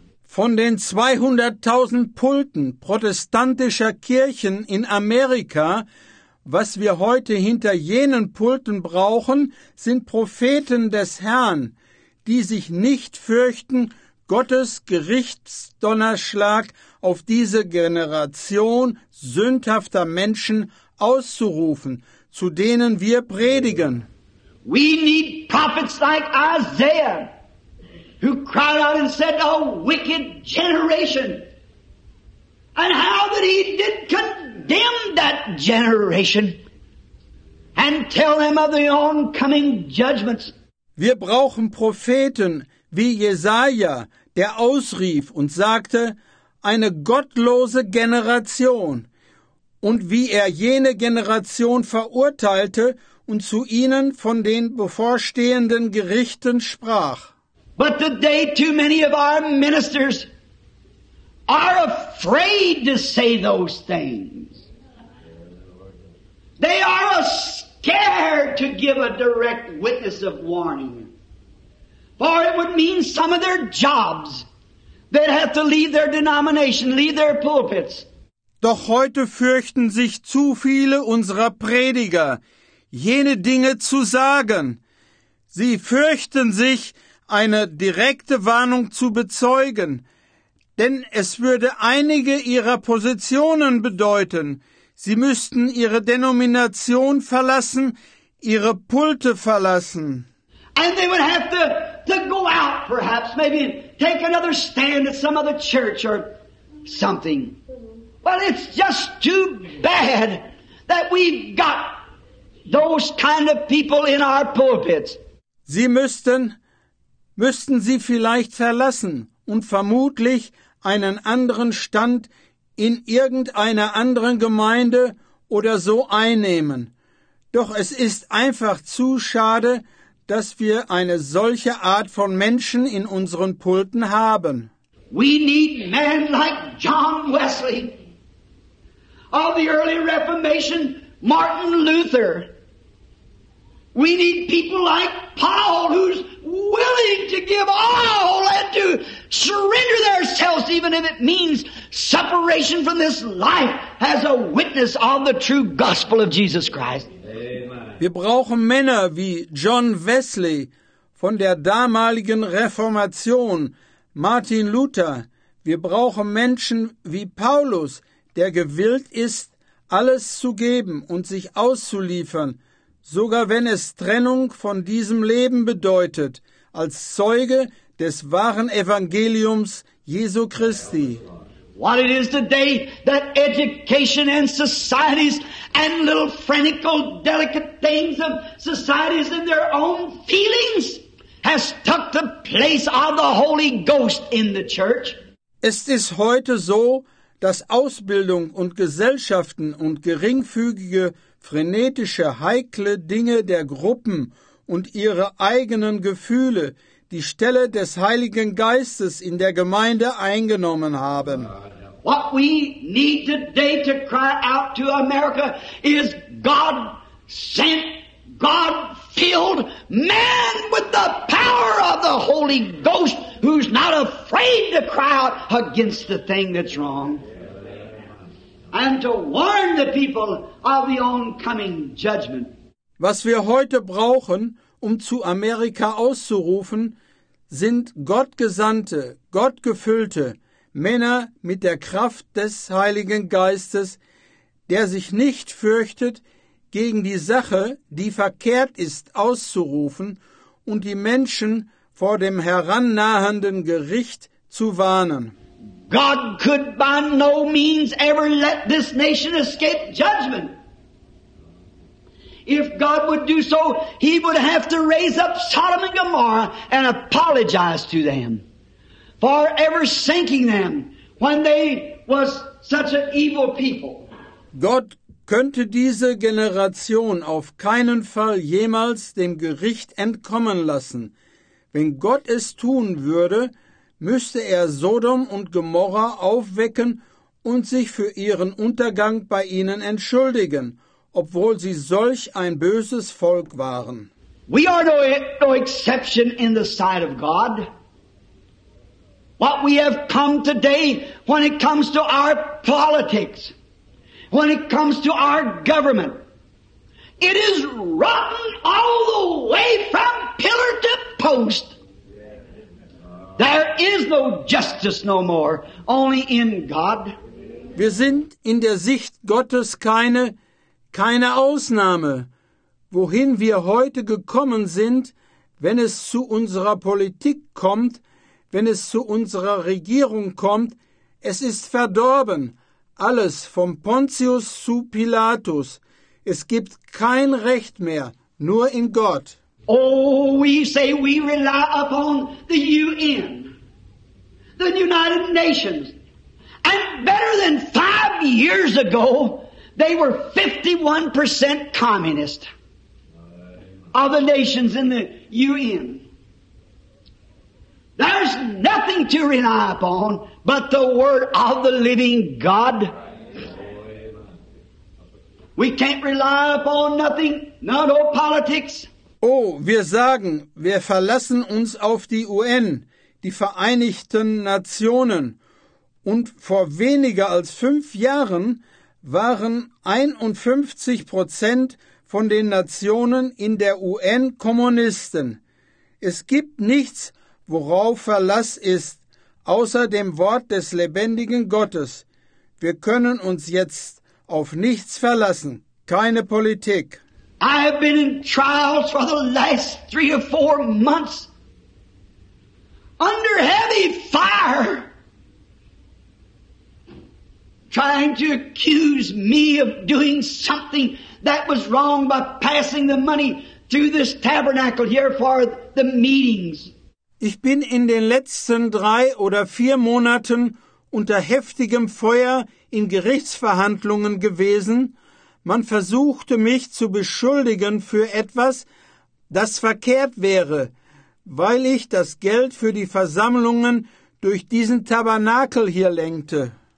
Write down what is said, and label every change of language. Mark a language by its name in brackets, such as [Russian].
[German] Von den 200,000 Pulten protestantischer Kirchen in Amerika, was wir heute hinter jenen Pulten brauchen, sind Propheten des Herrn, die sich nicht fürchten, Gottes Gerichtsdonnerschlag auf diese Generation sündhafter Menschen auszurufen, zu denen wir predigen. [English] We need prophets like Isaiah, who cried out and said, a wicked generation. And how that he did condemn that generation and tell them of the oncoming judgments. [German] Wir brauchen Propheten wie Jesaja, der ausrief und sagte, eine gottlose Generation, und wie er jene Generation verurteilte und zu ihnen von den bevorstehenden Gerichten sprach. [English] But today too many of our ministers are afraid to say those things. They are scared to give a direct witness of warning. For it would mean some of their jobs. They'd have to leave their denomination, leave their pulpits. [German] Doch heute fürchten sich zu viele unserer Prediger, jene Dinge zu sagen. Sie fürchten sich, eine direkte Warnung zu bezeugen, denn es würde einige ihrer Positionen bedeuten, sie müssten ihre Denomination verlassen, ihre Pulte verlassen. [English] And they would have to to go out, perhaps, maybe take another stand at some other church or something. Well, it's just too bad that we've got those kind of people in our pulpits. [German] Sie müssten sie vielleicht verlassen und vermutlich einen anderen Stand in irgendeiner anderen Gemeinde oder so einnehmen. Doch es ist einfach zu schade, dass wir eine solche Art von Menschen in unseren Pulten haben. [English] We need men like John Wesley, of the early Reformation, Martin Luther. We need people like Paul, who's willing to give all and to surrender themselves, even if it means separation from this life, as a witness of the true gospel of Jesus Christ. [German] Wir brauchen Männer wie John Wesley von der damaligen Reformation, Martin Luther. Wir brauchen Menschen wie Paulus, der gewillt ist, alles zu geben und sich auszuliefern, sogar wenn es Trennung von diesem Leben bedeutet, als Zeuge des wahren Evangeliums Jesu Christi. [English] What it is today that education and societies and little frantical, delicate things of societies and their own feelings has took the place of the Holy Ghost in the church. [German] Es ist heute so, dass Ausbildung und Gesellschaften und geringfügige, frenetische, heikle Dinge der Gruppen und ihre eigenen Gefühle die Stelle des Heiligen Geistes in der Gemeinde eingenommen haben. [English] What we need today to cry out to America is God sent, God filled man with the power of the Holy Ghost who's not afraid to cry out against the thing that's wrong. And to warn the people of the oncoming judgment. [German] Was wir heute brauchen, um zu Amerika auszurufen, sind Gottgesandte, Gottgefüllte Männer mit der Kraft des Heiligen Geistes, der sich nicht fürchtet, gegen die Sache, die verkehrt ist, auszurufen und die Menschen vor dem herannahenden Gericht zu warnen. [English] God could by no means ever let this nation escape judgment. If God would do so, he would have to raise up Sodom and Gomorrah and apologize to them for ever sinking them when they was such an evil people. [German] Gott könnte diese Generation auf keinen Fall jemals dem Gericht entkommen lassen. Wenn Gott es tun würde, müsste er Sodom und Gomorra aufwecken und sich für ihren Untergang bei ihnen entschuldigen, obwohl sie solch ein böses Volk waren. [English] We are no exception in the sight of God. What we have come today when it comes to our politics, when it comes to our government, it is rotten all the way from pillar to post. There is no justice no more, only in God. [German] Wir sind in der Sicht Gottes keine Ausnahme. Wohin wir heute gekommen sind, wenn es zu unserer Politik kommt, wenn es zu unserer Regierung kommt, es ist verdorben. Alles vom Pontius zu Pilatus. Es gibt kein Recht mehr, nur in Gott. [English] Oh, we say we rely upon the UN, the United Nations. And better than 5 years ago, they were 51% communist of the nations in the UN. There's nothing to rely upon but the word of the living God. We can't rely upon nothing, not all politics. [German] Oh, wir sagen, wir verlassen uns auf die UN, die Vereinigten Nationen. Und vor weniger als 5 Jahren waren 51% von den Nationen in der UN Kommunisten. Es gibt nichts, worauf Verlass ist, außer dem Wort des lebendigen Gottes. Wir können uns jetzt auf nichts verlassen, keine Politik. [English] I have been in trials for the last 3 or 4 months. under heavy fire, trying to accuse me of doing something that was wrong by passing the money through this tabernacle here for the meetings. [German] Ich bin in den letzten 3 oder 4 Monaten unter heftigem Feuer in Gerichtsverhandlungen gewesen. Man versuchte mich zu beschuldigen für etwas, das verkehrt wäre, weil ich das Geld für die Versammlungen durch diesen Tabernakel hier lenkte.